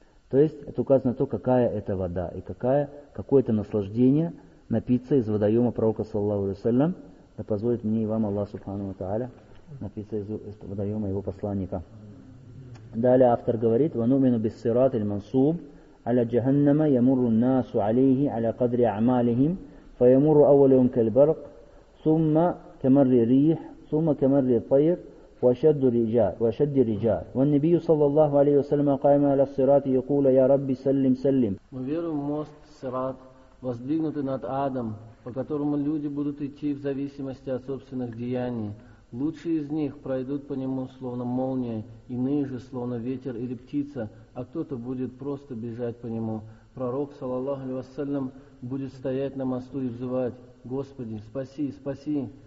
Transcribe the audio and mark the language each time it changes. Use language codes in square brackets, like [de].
[ru] То есть это указано на то, какая это вода и какое это наслаждение напиться из водоема пророка, саллаллаху алейхи ва саллям, да позволит мне и вам Аллах субхану ва тааля напиться из водоема его посланника. Далее автор говорит: [ar] «Ва нумину бис сират иль мансуб». على جهنم يمر الناس عليه على قدر أعمالهم فيمر أولهم كالبرق ثم كمر الريح ثم كمر الطير وشد الرجال والنبي صلى الله عليه وسلم قائم على الصراط يقول يا ربي سلم سلم. [ru] Мы верим в мост Сират, воздвигнутый над адом, по которому люди будут идти в зависимости от собственных деяний. Лучшие из них пройдут по нему словно молния, иные же словно ветер или птица, а кто-то будет просто бежать по нему. Пророк, саллаллаху алейхи ва саллям, будет стоять на мосту и взывать: «Господи, спаси, спаси!»